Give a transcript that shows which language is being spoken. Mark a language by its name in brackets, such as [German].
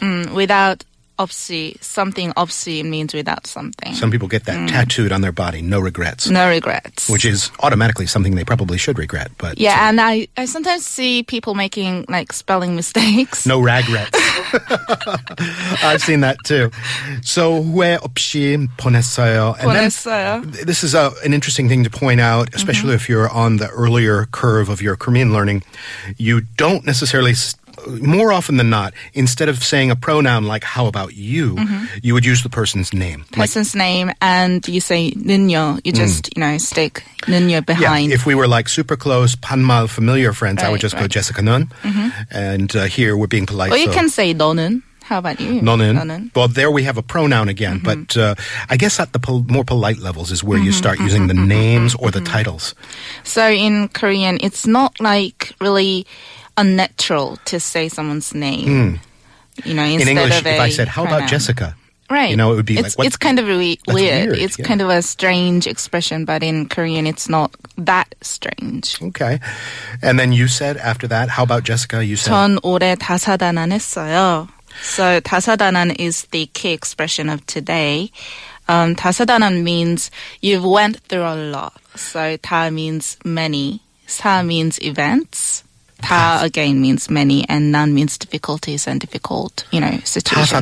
[English] Without 없이, something 없이means without something. Some people get that tattooed on their body, no regrets. No regrets. Which is automatically something they probably should regret. But yeah, and I sometimes see people making like spelling mistakes. No ragrets. I've seen that too. [Korean] So, 후회 없이 보냈어요. 보냈어요. [English] This is an interesting thing to point out, especially if you're on the earlier curve of your Korean learning. You don't necessarily... More often than not, instead of saying a pronoun like, how about you, you would use the person's name. And you say 는요. You just, stick 는요 behind. Yeah, if we were like super close, 반말 familiar friends, right, I would just go Jessica 는. Mm-hmm. And here we're being polite. Or you can say 너는. How about you? 너는. Well, there we have a pronoun again. Mm-hmm. But I guess at the more polite levels is where you start using the names or the titles. So in Korean, it's not like really... unnatural to say someone's name. Mm. in English, if I said, how pronoun? About Jessica? Right. It would be it's kind of weird. It's kind of a strange expression, but in Korean, it's not that strange. Okay. And then you said after that, how about Jessica? You said, [Korean] 전 올해 다사다난했어요. [English] So, 다사다난 is the key expression of today. 다사다난 means you've went through a lot. So, 다 means many. 사 means events. 다 again means many, and 난 means difficulties and difficult, situations.